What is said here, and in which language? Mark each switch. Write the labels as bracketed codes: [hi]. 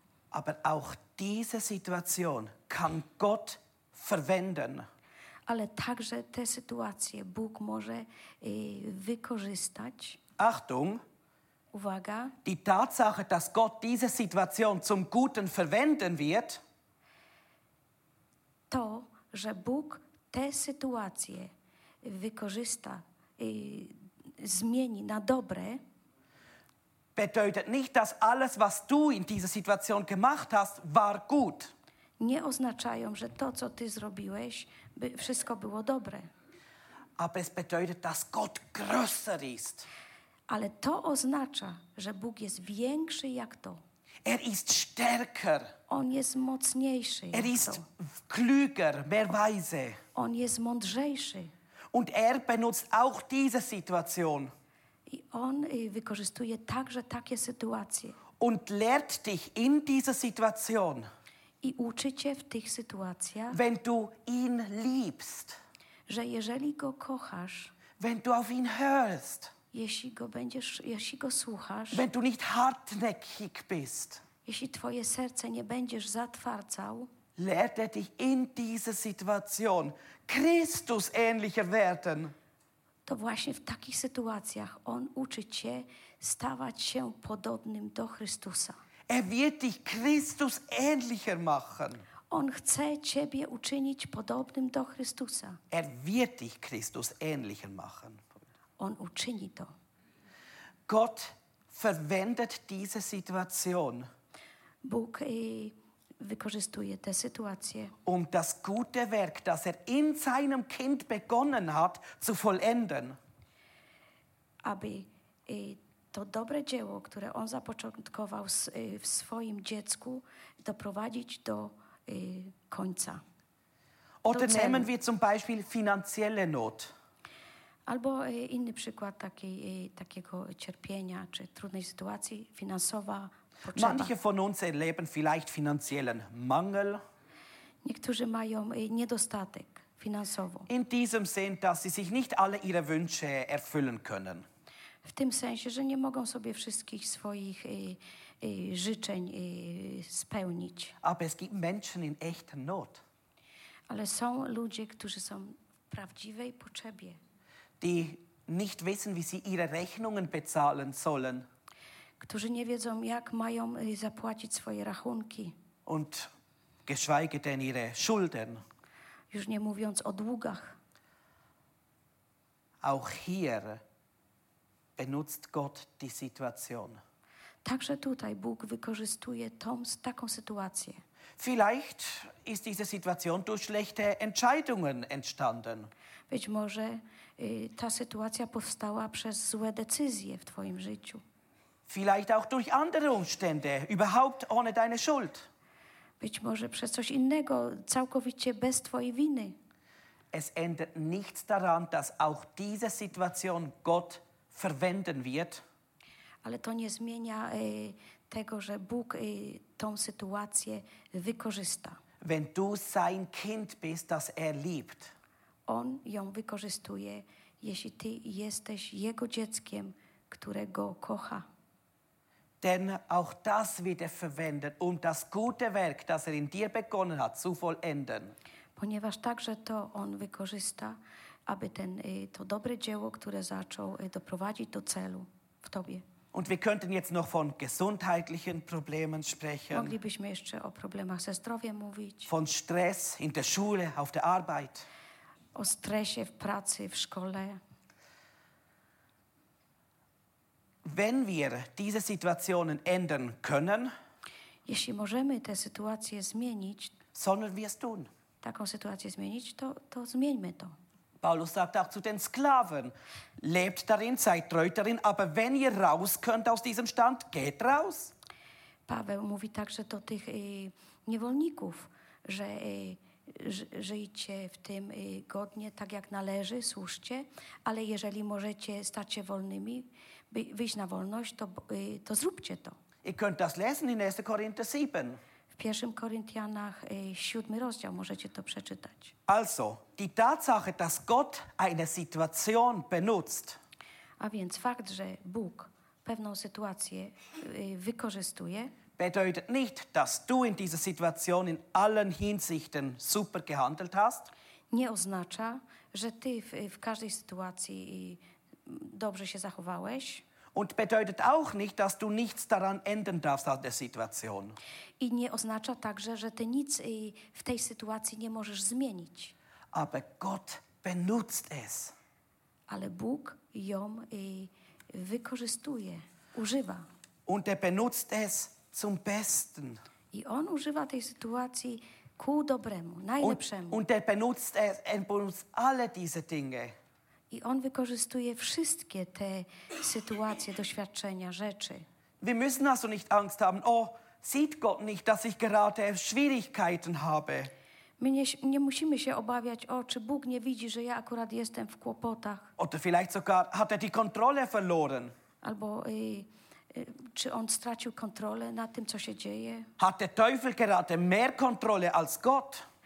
[de] Aber auch diese Situation kann Gott verwenden. [pl] Ale także tę sytuację Bóg może wykorzystać. [de] Achtung! [pl] Uwaga! [de] Die Tatsache, dass Gott diese Situation zum Guten verwenden wird, [pl] to, że Bóg tę sytuację wykorzysta, zmieni na dobre, [de] bedeutet nicht, dass alles, was du in dieser Situation gemacht hast, war gut. [pl] Nie oznaczają, że to, co ty zrobiłeś, wszystko było dobre. [de] Aber es bedeutet, dass Gott größer ist. [pl] Ale to oznacza, że Bóg jest większy jak to. [de] Er ist stärker. [pl] On jest mocniejszy. [de] Er ist klüger, mehr weise. [pl] On jest mądrzejszy. [de] Und er benutzt auch diese Situation. [pl] I on wykorzystuje także takie sytuacje. [de] Und lehrt dich in dieser Situation. [pl] I uczy cię w tych sytuacjach. [de] Wenn du ihn liebst. [pl] Że jeżeli go kochasz. [de] Wenn du auf ihn hörst. [pl] Jeśli go słuchasz. [de] Wenn du nicht hartnäckig bist. [pl] Jeśli twoje serce nie będziesz zatwardzał. [de] Lehrt er dich in dieser Situation Christus ähnlicher werden. [pl] To właśnie w takich sytuacjach on uczy cię stawać się podobnym do Chrystusa. [de] Er wird dich Christus ähnlicher machen. [pl] On chce ciebie uczynić podobnym do Chrystusa. [de] Er wird dich Christus ähnlicher machen. [pl] On uczyni to. [de] Gott verwendet diese Situation. [pl] Bóg wykorzystuje tę sytuację. [de] Um das gute Werk, das er in seinem Kind begonnen hat, zu vollenden. [pl] Aby to dobre dzieło, które on zapoczątkował w swoim dziecku, doprowadzić do końca. [de] Oder nehmen wir zum Beispiel finanzielle Not. [pl] Albo inny przykład takiego cierpienia czy trudnej sytuacji finansowa. Potrzeba. [de] Manche von uns erleben vielleicht finanziellen Mangel. [pl] Niektórzy mają niedostatek finansowo. [de] In diesem Sinn, dass sie sich nicht alle ihre Wünsche erfüllen können. [pl] W tym sensie, że nie mogą sobie wszystkich swoich życzeń spełnić. [de] Aber es gibt Menschen in echter Not. [pl] Ale są ludzie, którzy są w prawdziwej potrzebie. [de] Die nicht wissen, wie sie ihre Rechnungen bezahlen sollen. [pl] Którzy nie wiedzą, jak mają zapłacić swoje rachunki. [de] Und geschweige denn ihre Schulden. [pl] Już nie mówiąc o długach. [de] Auch hier benutzt Gott die Situation. [pl] Także tutaj Bóg wykorzystuje taką sytuację. [de] Vielleicht ist diese Situation durch schlechte Entscheidungen entstanden. [pl] Być może ta sytuacja powstała przez złe decyzje w twoim życiu. [de] Vielleicht auch durch andere Umstände, überhaupt ohne deine Schuld. [pl] Być może przez coś innego, całkowicie bez twojej winy. [de] Es ändert nichts daran, dass auch diese Situation Gott verwenden wird. [pl] Ale to nie zmienia tego, że Bóg tą sytuację wykorzysta. [de] Wenn du sein Kind bist, das liebt. [pl] On ją wykorzystuje, jeśli ty jesteś jego dzieckiem, które go kocha. [de] Denn auch das wird verwendet, das gute Werk, das in dir begonnen hat, zu vollenden. [pl] Ponieważ także to on wykorzysta, aby to dobre dzieło, które zaczął, doprowadzić do celu w tobie. [de] Und wir könnten jetzt noch von gesundheitlichen Problemen sprechen. [pl] Moglibyśmy jeszcze o problemach ze zdrowiem mówić. [de] Von Stress in der Schule, auf der Arbeit. [pl] O stresie w pracy, w szkole. [de] Wenn wir diese Situationen ändern können, [pl] jeśli możemy te sytuacje zmienić, [de] sollen wir es tun. [pl] Taką sytuację zmienić, to zmieńmy to. [de] Paulus sagt auch zu den Sklaven, lebt darin, seid treu darin, aber wenn ihr raus könnt aus diesem Stand, geht raus. [pl] Paweł mówi także do tych niewolników, że żyjcie w tym godnie, tak jak należy, słuszcie, ale jeżeli możecie stać się wolnymi, wyjść na wolność, to zróbcie to. [de] Ihr könnt das lesen in 1. Korinther 7. [pl] W 1. Koryntianach 7 rozdział możecie to przeczytać. [de] Also, die Tatsache, dass Gott eine Situation benutzt. [pl] A więc fakt, że Bóg pewną sytuację wykorzystuje, [de] bedeutet nicht, dass du in dieser Situation in allen Hinsichten super gehandelt hast. [pl] Nie oznacza, że ty w każdej sytuacji dobrze się zachowałeś. [de] Und bedeutet auch nicht, dass du nichts daran ändern darfst an der Situation. [pl] I nie oznacza także, że ty nic w tej sytuacji nie możesz zmienić. [de] Aber Gott benutzt es. [pl] Ale Bóg ją wykorzystuje, używa. [de] Und benutzt es zum Besten. [pl] I on używa tej sytuacji ku dobremu, najlepszemu. [de] Und benutzt es, benutzt alle diese Dinge. [pl] I on wykorzystuje wszystkie te sytuacje, doświadczenia, rzeczy. [de] Wir müssen also nicht Angst haben. Oh, sieht Gott nicht, dass ich gerade Schwierigkeiten habe. [pl] My nie musimy się obawiać, czy Bóg nie widzi, że ja akurat jestem w kłopotach. [de] Oder vielleicht sogar hat die Kontrolle verloren. [pl] Albo czy on stracił kontrolę nad tym, co się dzieje? [de] Hat der Teufel gerade mehr Kontrolle als Gott?